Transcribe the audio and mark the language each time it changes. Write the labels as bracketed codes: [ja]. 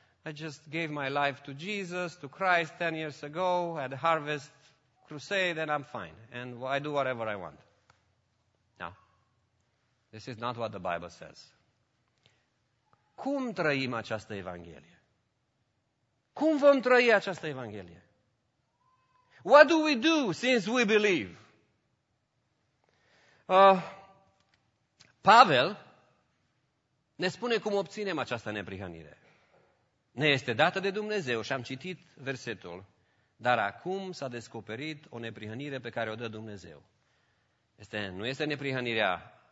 [en] I just gave my life to Jesus, to Christ 10 years ago, at the Harvest Crusade, and I'm fine. And I do whatever I want. This is not what the Bible says. [ro] Cum trăim această Evanghelie? Cum vom trăi această Evanghelie? [en] What do we do since we believe? [ro] Pavel ne spune cum obținem această neprihănire. Ne este dată de Dumnezeu și am citit versetul, dar acum s-a descoperit o neprihănire pe care o dă Dumnezeu. Nu este neprihănirea